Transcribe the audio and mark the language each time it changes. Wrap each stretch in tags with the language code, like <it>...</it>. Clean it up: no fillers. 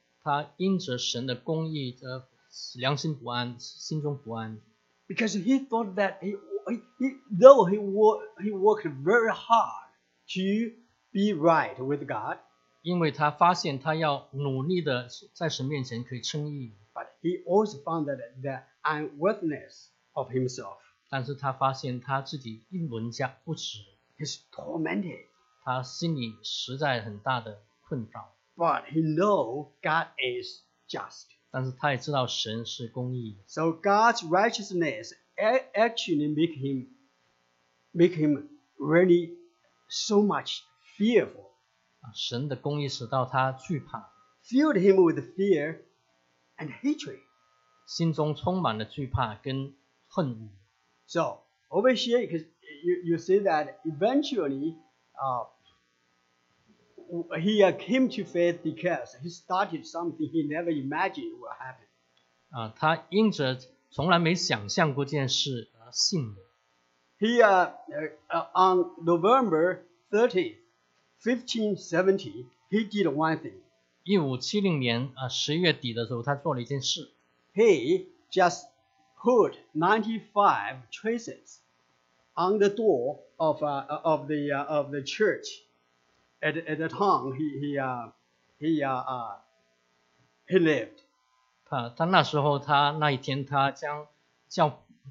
<zh>他因着神的公义而良心不安，心中不安。</zh> <en>Because he thought that he worked very hard to be right with God.</en> <zh>因为他发现他要努力的在神面前可以称义</zh> <en>，But he also found that the unworthiness of himself.</en> <zh>但是他发现他自己一文价不值</zh> <en>，He's tormented.</en> <zh>他心里实在很大的困扰</zh> <en>，But he know God is just.</en> <zh>但是他也知道神是公义</zh> <en>，So God's righteousness actually make him really so much fearful.</en> <zh>神的公义使到他惧怕</zh> <en>，filled him with fear and hatred，</en> <zh>心中充满了惧怕跟恨恶。</zh> <en>So over here, because you see that eventually, he came to faith because he started something he never imagined would happen.</en> <zh>他因着从来没想象过件事而信了。</zh> <en>He on November 30th. 1570, he did one thing.</en> <zh>1570年十月底的时候，他做了一件事。</zh> <en>He just put 95 traces on the door of the church at the town he lived.</en> <zh>他那时候他那一天他将教</zh>